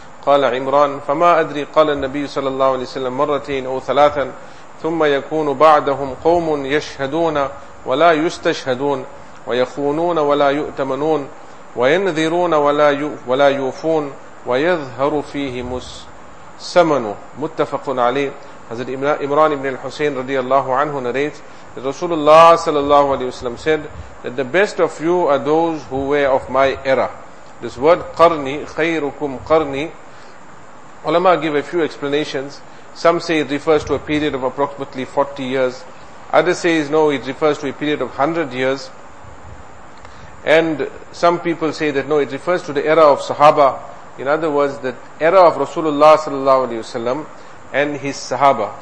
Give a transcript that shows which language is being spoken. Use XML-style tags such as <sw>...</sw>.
<ar>قال عمران فما أدري قال النبي صلى الله عليه وسلم مرتين أو ثلاثا ثم يكون بعدهم قوم يشهدون ولا يستشهدون ويخونون ولا يؤتمنون وينذرون ولا يوفون ويظهر فيه مسمن. متفق عليه.</ar> <en>حضرت عمران بن الحسين</en> <ar>رضي الله عنه</ar> <en>narrates that Rasulullah صلى الله عليه وسلم said that the best of you are those who were of my era. This word</en> <ar>قرني خيركم قرني.</ar> <en>Ulama give a few explanations. Some say it refers to a period of approximately 40 years. Others say no, it refers to a period of 100 years. And some people say that no, it refers to the era of Sahaba. In other words, the era of Rasulullah sallallahu alayhi wasallam and his Sahaba.</en>